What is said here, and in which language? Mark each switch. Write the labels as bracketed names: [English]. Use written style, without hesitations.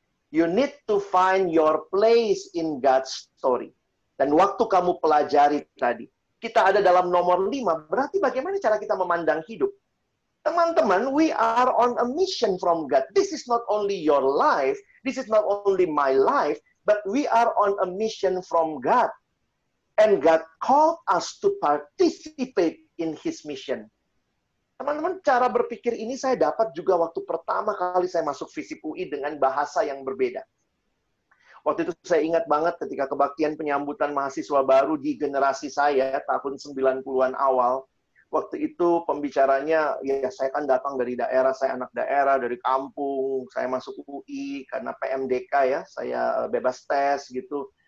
[English] You need to find your place in God's story. [Indonesian] Dan waktu kamu pelajari tadi, kita ada dalam nomor 5, berarti bagaimana cara kita memandang hidup? [English] Teman-teman, we are on a mission from God. This is not only your life, this is not only my life, but we are on a mission from God. And God called us to participate in His mission. [Indonesian] Teman-teman, cara berpikir ini saya dapat juga waktu pertama kali saya masuk FISIP UI dengan bahasa yang berbeda. Waktu itu saya ingat banget ketika kebaktian penyambutan mahasiswa baru di generasi saya tahun 90-an awal. Waktu itu pembicaranya, ya saya kan datang dari daerah, saya anak daerah, dari kampung, saya masuk UI karena PMDK ya, saya bebas tes gitu.